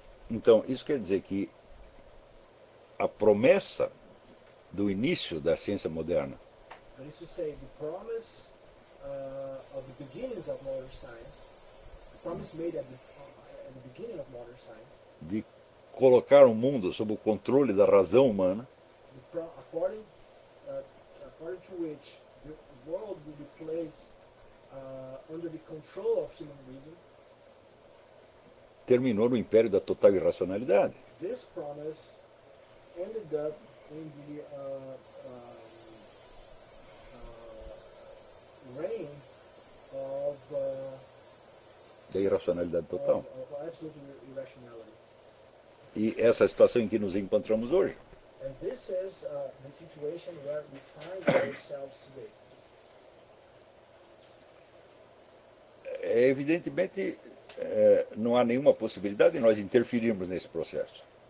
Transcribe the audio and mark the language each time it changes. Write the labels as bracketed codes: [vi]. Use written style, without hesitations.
[pt] Então, isso quer dizer que a promessa do início da ciência moderna, [en] that is to say, the promise of the beginnings of modern science, the promise made at the beginning of modern science, [pt] de colocar o mundo sob o controle da razão humana, [en] according to which the world will be placed under the control of human reason, [pt] terminou no império da total irracionalidade. [en] This promise ended up in the reign of [pt] da irracionalidade total. [en] Of absolute irrationality. [pt] E essa situação em que nos encontramos hoje. [en] And this is the situation where we find ourselves today. [pt] evidentemente, não há nenhuma possibilidade de nós interferirmos nesse processo.